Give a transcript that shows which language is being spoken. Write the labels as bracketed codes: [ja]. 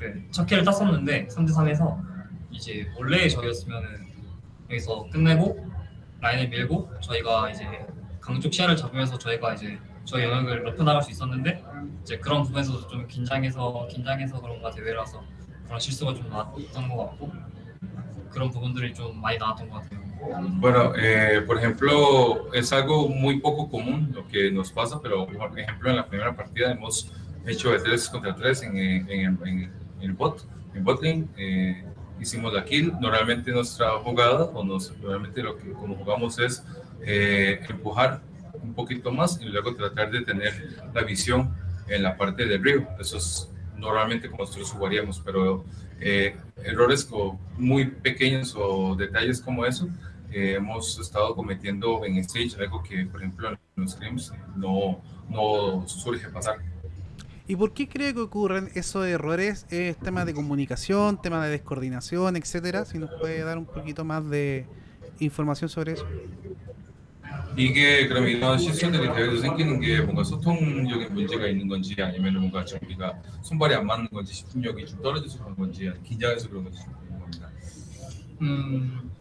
[ko] 첫 킬을 땄었는데 3대3에서 이제 원래 저희였으면은 여기서 끝내고 라인을 밀고 저희가 이제 강쪽 시야를 잡으면서 저희가 이제 저희 영역을 러프 나갈 수 있었는데 이제 그런 부분에서도 좀 긴장해서 그런가 대회라서 그런 실수가 좀 나왔던 것 같고 그런 부분들이 좀 많이 나왔던 것 같아요. [es] Bueno, por ejemplo, es algo muy poco común lo que nos pasa, pero por ejemplo en la primera partida hemos hecho de 3 contra 3 en botlane. Hicimos la kill. Normalmente nuestra jugada, normalmente lo que como jugamos es empujar un poquito más y luego tratar de tener la visión en la parte del río. Eso es normalmente como nosotros jugaríamos, pero errores muy pequeños o detalles como eso hemos estado cometiendo en stage, algo que por ejemplo en los scrims no surge pasar. ¿Y por qué cree que ocurren esos errores? ¿Es tema de comunicación, tema de descoordinación, etcétera? Si nos puede dar un poquito más de información sobre eso. Y que creo que no sé si son de que se sienten que [ko] 뭔가 소통적인 문제가 있는 건지 아니면은 뭔가 좀 우리가 손발이 안 맞는 건지 집중력이 좀 떨어져서 그런 건지 긴장해서 그런 건지 궁금합니다.